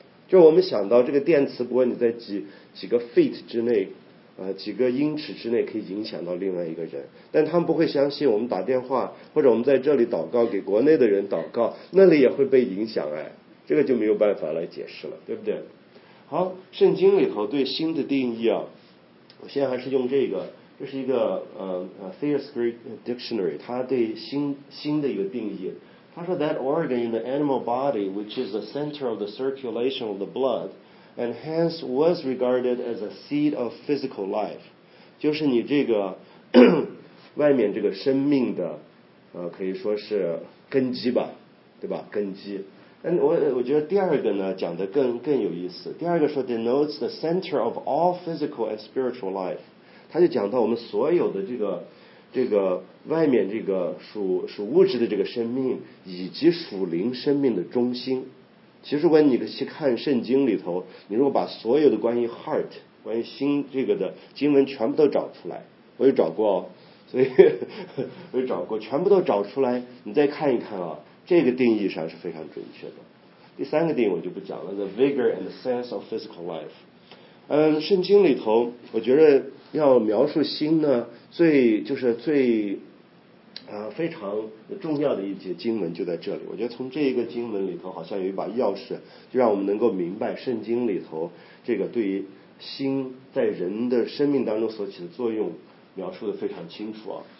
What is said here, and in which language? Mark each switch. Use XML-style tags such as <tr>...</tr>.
<zh>就我们想到这个电磁波，你在几个 feet 之内，几个英尺之内可以影响到另外一个人，但他们不会相信我们打电话或者我们在这里祷告，给国内的人祷告，那里也会被影响，哎，这个就没有办法来解释了，对不对？好，圣经里头对心的定义啊，我现在还是用这个，这是一个Thayer's Greek Dictionary， 他对心的一个定义，他说</zh> <en>that organ in the animal body which is the center of the circulation of the bloodAnd hence was regarded as a seat of physical life，</en> <zh>就是你这个外面这个生命的，可以说是根基吧，对吧？根基。 And 我觉得第二个呢讲的更有意思。第二个说</zh> <en>denotes the center of all physical and spiritual life，</en> <zh>他就讲到我们所有的这个外面这个属物质的这个生命以及属灵生命的中心。其实如果你去看圣经里头，你如果把所有的关于 heart 关于心这个的经文全部都找出来，我有找过，所以我有找过，全部都找出来，你再看一看啊，这个定义上是非常准确的。第三个定义我就不讲了，</zh> <en>the vigor and the sense of physical life。</en> <zh>圣经里头我觉得要描述心呢，非常重要的一节经文就在这里。我觉得从这一个经文里头好像有一把钥匙，就让我们能够明白圣经里头这个对于心在人的生命当中所起的作用描述的非常清楚啊。</zh>